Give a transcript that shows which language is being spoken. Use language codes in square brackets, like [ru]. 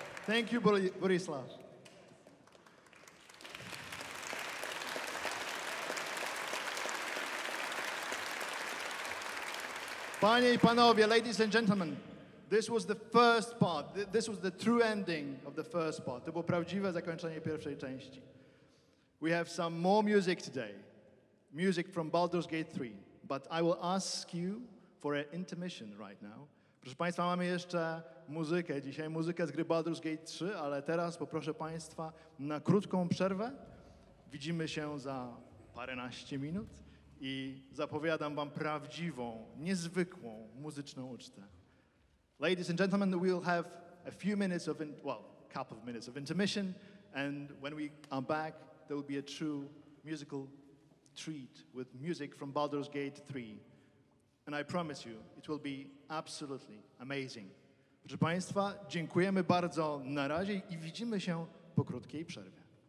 [en] Thank you, Borislav. [pl] Panie I panowie, [en] ladies and gentlemen, this was the first part, this was the true ending of the first part. [pl] To było prawdziwe zakończenie pierwszej części. [en] We have some more music today, music from Baldur's Gate 3, but I will ask you for an intermission right now. [pl] Proszę Państwa, mamy jeszcze muzykę, dzisiaj muzykę z gry Baldur's Gate 3, ale teraz poproszę Państwa na krótką przerwę. Widzimy się za paręnaście minut. I zapowiadam wam prawdziwą, niezwykłą muzyczną ucztę. [en] Ladies and gentlemen, we'll have a few minutes of, couple of minutes of intermission, and when we are back, there will be a true musical treat with music from Baldur's Gate 3. And I promise you, it will be absolutely amazing. [pl] Proszę Państwa, dziękujemy bardzo na razie I widzimy się po krótkiej przerwie.